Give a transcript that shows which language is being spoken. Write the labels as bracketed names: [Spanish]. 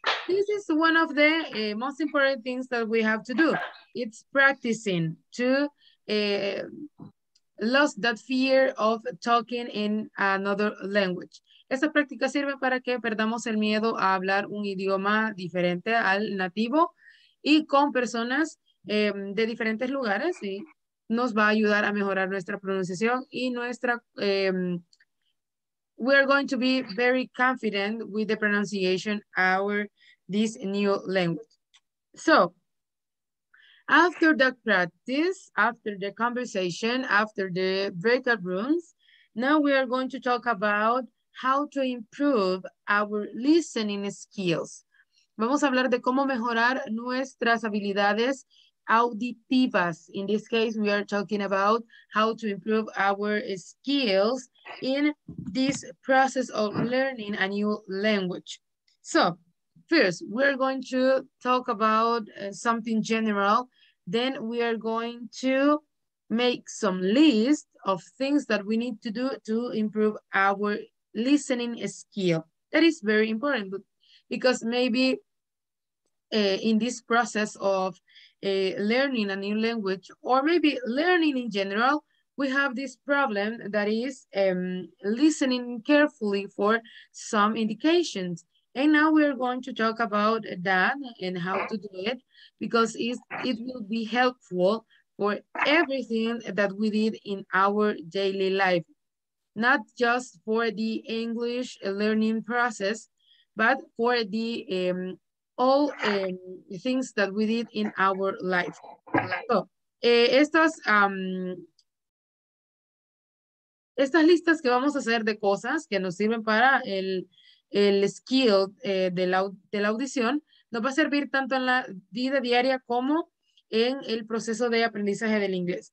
[English] This is one of the most important things that we have to do. It's practicing to lost that fear of talking in another language. [Spanish] Esta práctica sirve para que perdamos el miedo a hablar un idioma diferente al nativo y con personas de diferentes lugares y nos va a ayudar a mejorar nuestra pronunciación y nuestra... [English] we are going to be very confident with the pronunciation of this new language. So... After the practice, after the conversation, after the breakout rooms, now we are going to talk about how to improve our listening skills. [Spanish] Vamos a hablar de cómo mejorar nuestras habilidades auditivas. [English] In this case, we are talking about how to improve our skills in this process of learning a new language. So, first, we're going to talk about something general. Then we are going to make some list of things that we need to do to improve our listening skill. That is very important because maybe in this process of learning a new language or maybe learning in general, we have this problem that is listening carefully for some indications. And now we're going to talk about that and how to do it because it will be helpful for everything that we did in our daily life, not just for the English learning process, but for the all things that we did in our life. [Spanish] So, estas listas que vamos a hacer de cosas que nos sirven para el skill de la audición nos va a servir tanto en la vida diaria como en el proceso de aprendizaje del inglés.